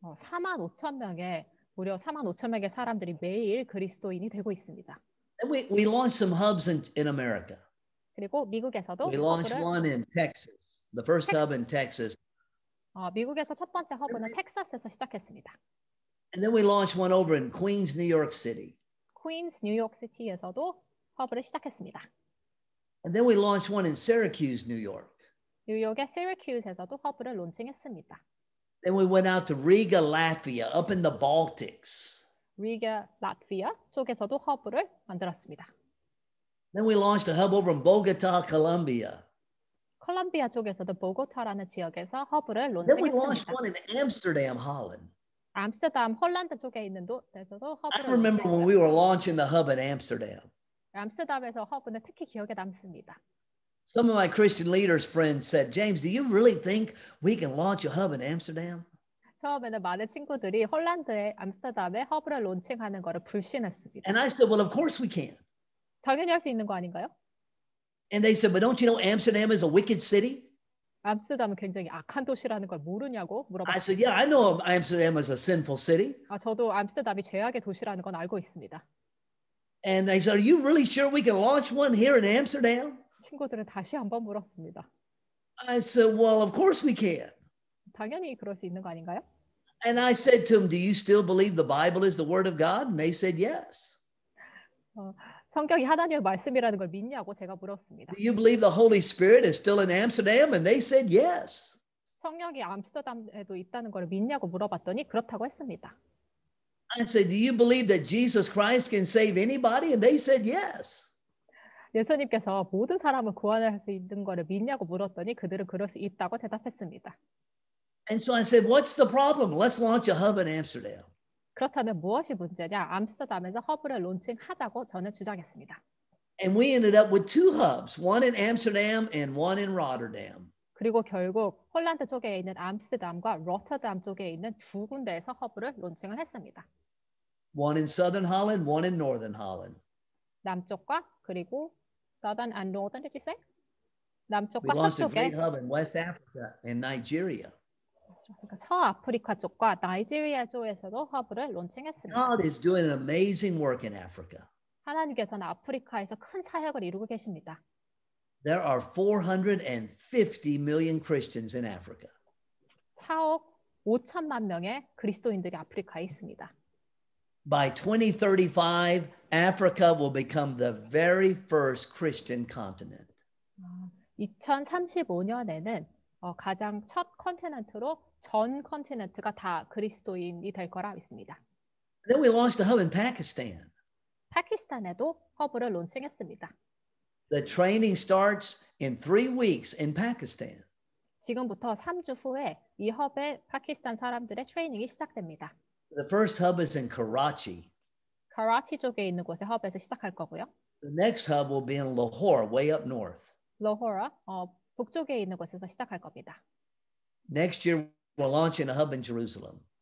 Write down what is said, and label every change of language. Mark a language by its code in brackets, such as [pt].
[ko] 45,000명의 사람들이 매일 그리스도인이 되고 있습니다. [en] And we launched some hubs in America. [ko] 그리고 미국에서도 [en] We launched one in Texas. The first hub in Texas. [ko] 미국에서 첫 번째 허브는 텍사스에서 시작했습니다. [en] And then we launched one over in Queens, New York City. [ko] Queens, New York City에서도 허브를 시작했습니다. [en] And then we launched one in Syracuse, New York. [ko] 뉴욕의 Syracuse에서도 허브를 론칭했습니다. [en] Then we went out to Riga, Latvia, up in the Baltics. [ko] Riga, Latvia 쪽에서도 허브를 만들었습니다. [en] Then we launched a hub over in Bogota, Colombia. [ko] 콜롬비아 쪽에서도 보고타라는 지역에서 허브를 론칭했습니다. [en] Then we launched one in Amsterdam, Holland. [ko] 암스테르담, 홀란드 쪽에 있는 데서도 허브를 [en] I remember when we were launching the hub in Amsterdam. [ko] 암스테르담에서 허브는 특히 기억에 남습니다. [en] Some of my Christian leaders friends said, James, do you really think we can launch a hub in Amsterdam? [ko] 처음에는 많은 친구들이 홀란드의 암스테르담에 허브를 론칭하는 것을 불신했습니다. [en] And I said, well, of course we can. [ko] 당연히 할 수 있는 거 아닌가요? [en] And they said, but don't you know Amsterdam is a wicked city? [ko] Amsterdam 굉장히 악한 도시라는 걸 모르냐고 물어봤습니다. [en] I said, yeah, I know Amsterdam is a sinful city. [ko] 저도 암스테르담이 죄악의 도시라는 건 알고 있습니다. [en] And they said, are you really sure we can launch one here in Amsterdam? [ko] 친구들은 다시 한번 물었습니다. [en] I said, well, of course we can. [ko] 당연히 그럴 수 있는 거 아닌가요? [en] And I said to them, do you still believe the Bible is the word of God? And they said yes. [ko] 성경이 하나님의 말씀이라는 걸 믿냐고 제가 물었습니다. [en] Do you believe the Holy Spirit is still in Amsterdam? And they said yes. [ko] 성령이 암스터담에도 있다는 걸 믿냐고 물어봤더니 그렇다고 했습니다. [en] I said, do you believe that Jesus Christ can save anybody? And they said yes. [ko] 예수님께서 모든 사람을 구원할 수 있는 것을 믿냐고 물었더니 그들은 그럴 수 있다고 대답했습니다. [en] And so I said, what's the problem? Let's launch a hub in Amsterdam. [ko] 그렇다면 무엇이 문제냐? 암스터담에서 허브를 론칭하자고 저는 주장했습니다. [en] And we ended up with two hubs, one in Amsterdam and one in Rotterdam. [ko] 그리고 결국 홀란드 쪽에 있는 암스터담과 로터담 쪽에 있는 두 군데에서 허브를 론칭을 했습니다. [en] One in Southern Holland, one in Northern Holland. [ko] 남쪽과 그리고 [en] Southern and Northern, did you say? [ko] 남쪽과 [en] we launched a great hub in West Africa and Nigeria. [ko] 그러니까 서아프리카 쪽과 나이지리아 쪽에서도 허브를 론칭했습니다. [en] God is doing amazing work in Africa. [ko] 하나님께서는 아프리카에서 큰 사역을 이루고 계십니다. [en] There are 450 million Christians in Africa. [ko] 4억 5천만 명의 그리스도인들이 아프리카에 있습니다. [en] By 2035, Africa will become the very first Christian continent. [ko] 2035년에는 가장 첫 컨티넨트로 전 컨티넨트가 다 그리스도인이 될 거라 믿습니다. [en] Then we launched a hub in Pakistan. [ko] 파키스탄에도 허브를 론칭했습니다. [en] The training starts in 3 weeks in Pakistan. [ko] 지금부터 3주 후에 이 허브에 파키스탄 사람들의 트레이닝이 시작됩니다. [en] The first hub is in Karachi. [ko] 카라치 쪽에 있는 곳에 허브에서 시작할 거고요. [en] The next hub will be in Lahore, way up north. [ko] 라호라, 북쪽에 있는 곳에서 시작할 겁니다. [en] Next year we're launching a hub in Jerusalem.